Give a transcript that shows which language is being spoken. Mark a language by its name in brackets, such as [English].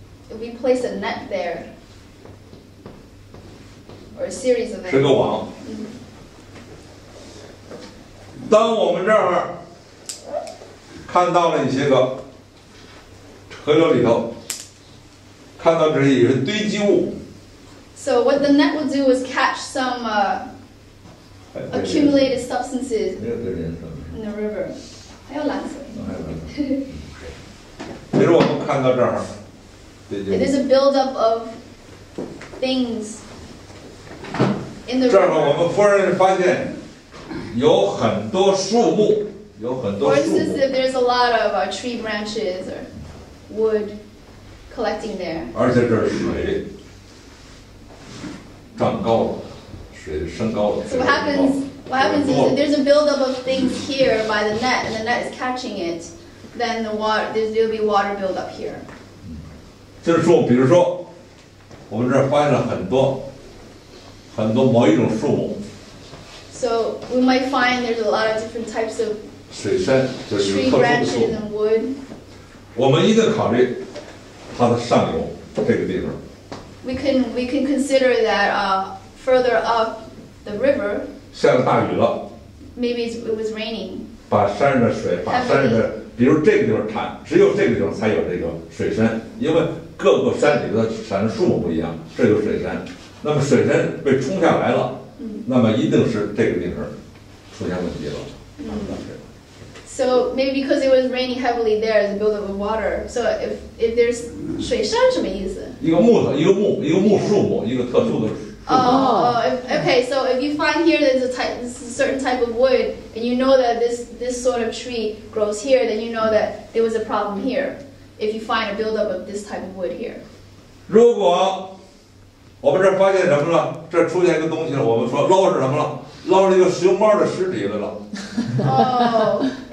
[English] If we place a net there, or a series of nets. [Chinese] 是个网。当我们这儿看到了一些个河流里头，看到这些堆积物。 [English] So what the net will do is catch some. Accumulated substances in the river. [Chinese] 还有蓝色。比如我们看到这儿，对。 [English] There's a buildup of things in the river. [Chinese] 这儿我们忽然发现有很多树木，有很多树木。 [English] For instance, there's a lot of tree branches or wood collecting there. [Chinese] 而且这儿水涨高了。 [English] So what happens is that there's a buildup of things here by the net, and the net is catching it. Then the water, there'll be water buildup here. [Chinese] 就是说，比如说，我们这儿发现了很多某一种树木。 [English] So we might find there's a lot of different types of [Chinese] 水杉，就是特殊的树木。 [English] And wood. [Chinese] 我们一定考虑它的上游这个地方。 [English] We can consider that. Further up the river, [Chinese] 下了大雨了 [English] maybe it was raining. [Chinese] 把山上的水，把山上的，比如这个地方产，只有这个地方才有这个水杉，因为各个山里的产的树木不一样，这有水杉。那么水杉被冲下来了，那么一定是这个地方出现问题了。 [English] So maybe because it was raining heavily there, the buildup of water. So if there's [Chinese] 水杉什么意思？一个木树木，一个特殊的。 [English] Okay, so if you find here there's a certain type of wood, and you know that this sort of tree grows here, then you know that there was a problem here. If you find a buildup of this type of wood here. [Chinese] 如果我们这发现什么了，这出现一个东西了，我们说捞着什么了，捞着一个熊猫的尸体来了。